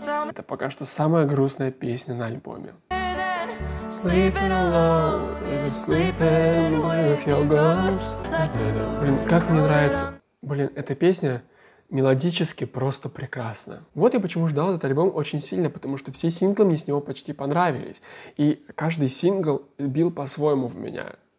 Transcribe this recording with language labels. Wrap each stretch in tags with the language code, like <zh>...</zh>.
<ru>Это пока что самая грустная песня на альбоме.</ru> <en>Sleeping alone, is it sleeping with your ghost?</en> <ru>Блин, как мне нравится. Блин, эта песня мелодически просто прекрасна. Вот я почему ждал этот альбом очень сильно, потому что все синглы мне с него почти понравились. И каждый сингл бил по-своему в меня.</ru>